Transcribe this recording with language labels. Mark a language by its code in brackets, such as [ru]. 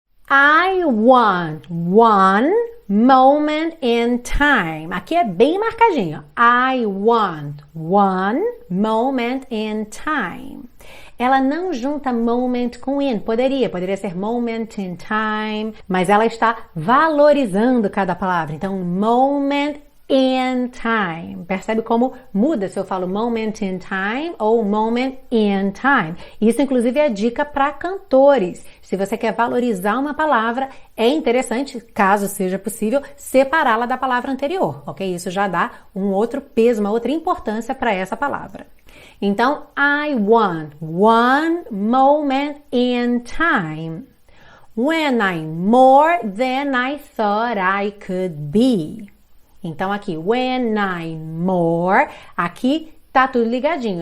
[en] I want one moment in time. [pt] Aqui é bem marcadinho. [en] I want one moment in time. [pt] Ela não junta moment com in. Poderia ser [en] moment in time. [pt] Mas ela está valorizando cada palavra. Então, [en] moment in time. [pt] Percebe como muda se eu falo moment in time ou moment in time. Isso, inclusive, é dica para cantores. Se você quer valorizar uma palavra, é interessante, caso seja possível, separá-la da palavra anterior. Ok? Isso já dá um outro peso, uma outra importância para essa palavra. Então, [en] I want one moment in time when I'm more than I thought I could be. [pt] Então, aqui, [en] when I'm more, [pt] aqui tá tudo ligadinho.